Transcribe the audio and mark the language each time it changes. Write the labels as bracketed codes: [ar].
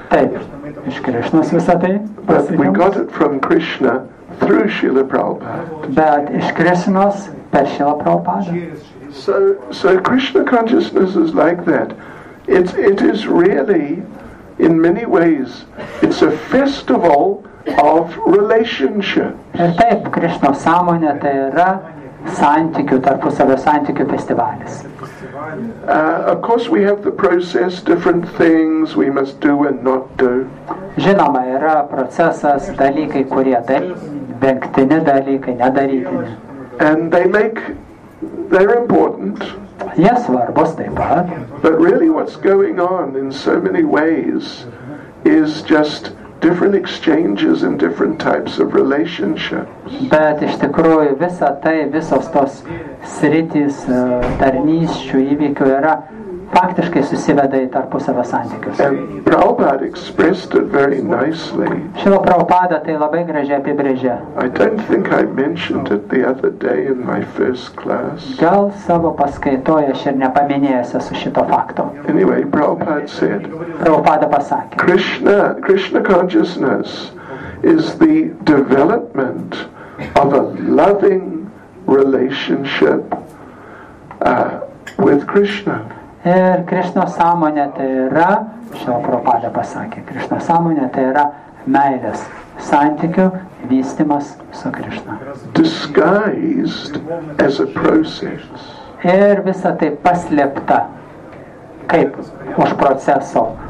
[lt] Taip, iš Krishnos visa tai. [en] But we got it from Krishna through Srila Prabhupada. [lt] Bet iš Krishnos per Srila Prabhupada. [en] So Krishna consciousness is like that. It is really, in many ways, it's a festival of relationships. [lt] Ir taip, Krishna sąmonė tai yra santykių, tarpusavio santykių festivalis. [en] Of course, we have the process, different things we must do and not do. [lt] Žinoma, yra procesas, dalykai, kurie vengtini dalykai, nedarytini. [en] And they make... They're important. [lt] Yes, svarbus taip pat. [en] But really what's going on in so many ways is just different exchanges and different types of relationships. [lt] Bet iš tikrųjų visa tai, visos tos sritys, tarnysčių įvykių yra faktiškai susiveda į tarpusavio santykius. [en] And Prabhupada expressed it very nicely. [lt] Šilo Prabhupada tai labai gražiai apibrėžė. [en] I don't think I mentioned it the other day in my first class. [lt] Gal savo paskaitoje aš ir nepaminėjęsiu su šito fakto. [en] Anyway, Prabhupada said. [lt] Prabhupada pasakė. [en] Krishna consciousness is the development of a loving relationship with Krishna. [lt] Ir Krishna sąmonė tai yra, šio Prabhupada pasakė, Krishna sąmonė tai yra meilės santykių vystimas su Krishna. [en] Disguised as a process. [lt] Ir visa tai paslėpta kaip už proceso.